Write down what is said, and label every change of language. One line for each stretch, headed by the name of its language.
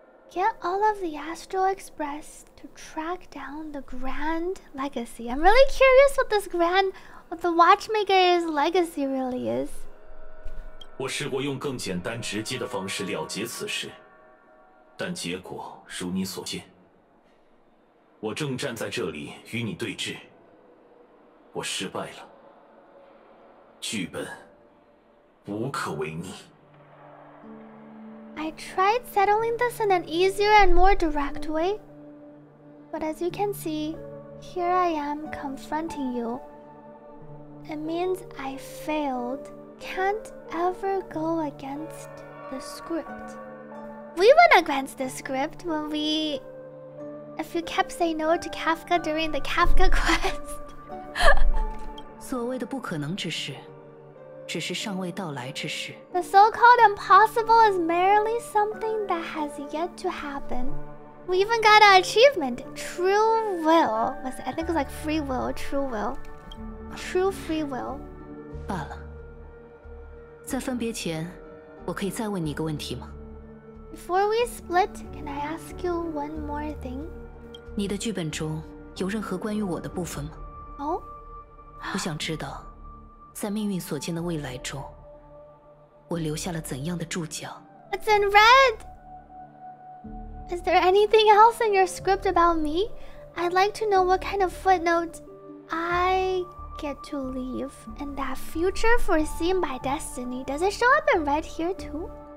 English: Get all of the Astral Express to track down the grand legacy. I'm really curious what this grand, what the Watchmaker's legacy really is.
Chinese: 我试过用更简单直接的方式了结此事，但结果如你所见。我正站在这里与你对峙，我失败了。剧本无可为逆。
English: I tried settling this in an easier and more direct way, but as you can see, here I am confronting you. It means I failed. Can't ever go against the script. We went against the script when we... If you kept saying no to Kafka during the Kafka quest.
Chinese: 所谓的不可能之事只是尚未到来之时。
English: The so-called impossible is merely something that has yet to happen. We even got an achievement. True will. I think it was like free will. True will. True free will.
Chinese: 罢了。在分别前，我可以再问你一个问题吗？
English: Before we split, can I ask you one more thing?
Chinese: 你的剧本中有任何关于我的部分吗？
English: Oh?
Chinese: 我想知道。在命运所见的未来中，我留下了怎样的注脚？
English: It's in red! Is there anything else in your script about me? I'd like to know what kind of footnote I get to leave in that future foreseen by destiny. Does it show up in red here too?